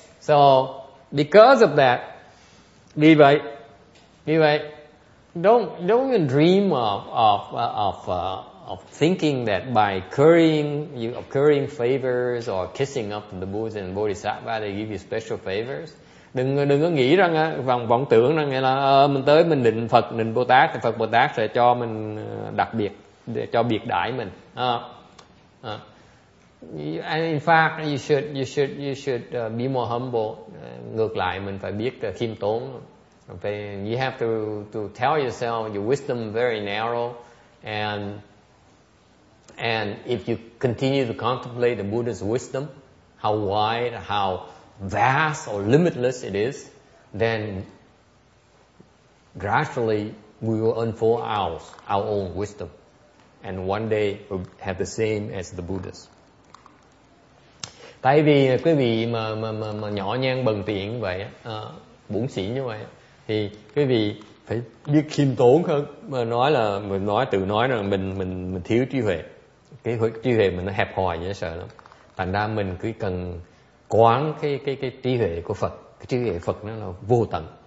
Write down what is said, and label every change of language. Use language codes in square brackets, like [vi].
[en] So because of that, [vi] vì vậy, [en] don't even dream of thinking that by currying favors or kissing up the Buddha and Bodhisattva, they give you special favors. [vi] Đừng có nghĩ rằng vọng tưởng rằng là mình tới mình định Phật định Bồ Tát thì Phật Bồ Tát sẽ cho mình đặc biệt, cho biệt đãi mình. [en] And in fact, you should be more humble. [vi] Ngược lại, mình phải biết khiêm tốn. [en] Okay, you have to tell yourself your wisdom very narrow, and if you continue to contemplate the Buddha's wisdom, how wide, how vast or limitless it is, then gradually we will unfold our own wisdom, and one day we'll have the same as the Buddha's. [vi] Tại vì quý vị mà nhỏ nhen bần tiện vậy, bủn xỉn như vậy, thì quý vị phải biết khiêm tốn hơn. Mà nói là mình nói tự nói rằng mình thiếu trí huệ, cái huệ trí huệ mình nó hẹp hòi dễ sợ lắm. Thành ra mình cứ cần quán cái trí huệ của Phật, cái trí huệ Phật nó là vô tận.